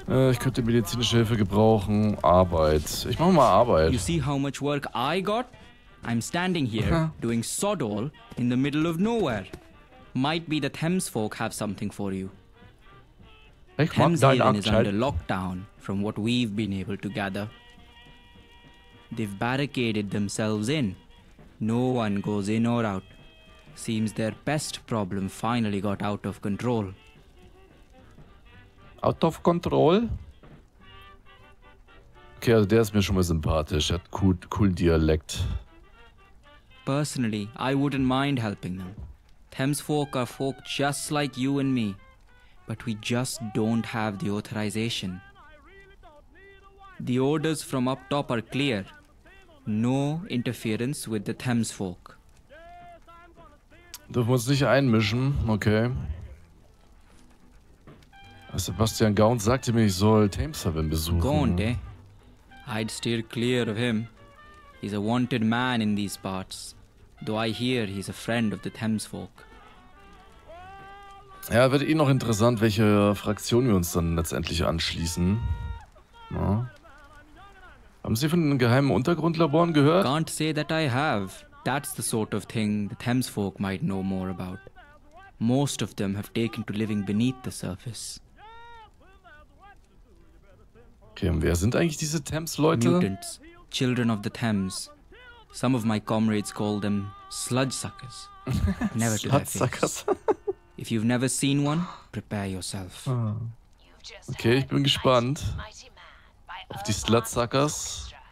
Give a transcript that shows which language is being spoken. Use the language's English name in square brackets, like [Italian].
[German] Ich könnte medizinische Hilfe gebrauchen. Arbeit. Ich mache mal Arbeit. [English] You see how much work I got? I'm standing here doing sod all in the middle of nowhere. Might be the Thames folk have something for you. Thames Haven is under lockdown from what we've been able to gather. They've barricaded themselves in. No one goes in or out. Seems their pest problem finally got out of control. Out of control? [German] Okay, also der ist mir schon mal sympathisch. Hat cool Dialekt. [English] Personally, I wouldn't mind helping them. Thames folk are folk just like you and me. But we just don't have the authorization. The orders from up top are clear. No interference with the Thames folk. [German] Dürfen wir uns nicht einmischen, okay. Sebastian Gaunt sagte mir, ich soll Thames Haven besuchen. [English] Gaunt, eh? I'd steer clear of him. He's a wanted man in these parts. Though I hear he's a friend of the Thames folk. [German] Ja, wird eh noch interessant, welche Fraktion wir uns dann letztendlich anschließen. Na? Haben Sie von den geheimen Untergrundlaboren gehört? [English] Can't say that I have. That's the sort of thing the Thames folk might know more about. Most of them have taken to living beneath the surface. [German] Okay, und wer sind eigentlich diese Thames-Leute? [English] Mutants. Children of the Thames. Some of my comrades call them sludge suckers. Never to their face. If you've never seen one, prepare yourself. [German] Okay, ich bin gespannt auf die Slutsuckers.